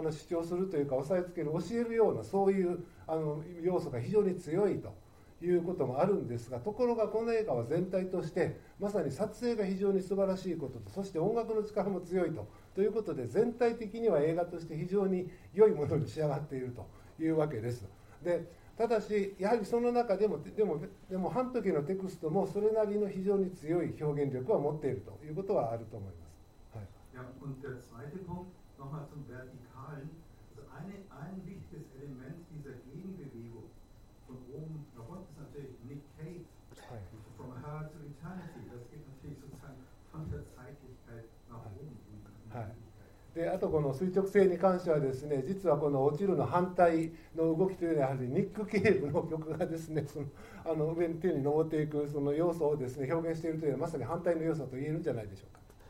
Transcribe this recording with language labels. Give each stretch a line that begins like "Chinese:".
Japanese: 主張するというか押さえつける教えるようなそういう要素が非常に強いということもあるんですが、ところがこの映画は全体としてまさに撮影が非常に素晴らしいことと、そして音楽の力も強いということで、全体的には映画として非常に良いものに仕上がっているというわけです。でただしやはりその中でも半時のテクストもそれなりの非常に強い表現力を持っているということはあると思います。
German: はい、und der zweite Punkt nochmal zum Vertikalen. Also ein wichtiges Element dieser Gegenbewegung von oben nach unten ist natürlich Nick Cave, from her to eternity. Das geht natürlich sozusagen von der Zeitlichkeit nach oben.
Japanese: で、あとこの垂直性に関してはですね、実はこの落ちるの反対の動きというのはやはりニック・ケイブの曲がですね、その上に手に登っていくその要素をですね、表現しているというのはまさに反対の要素と言えるんじゃないでしょうか。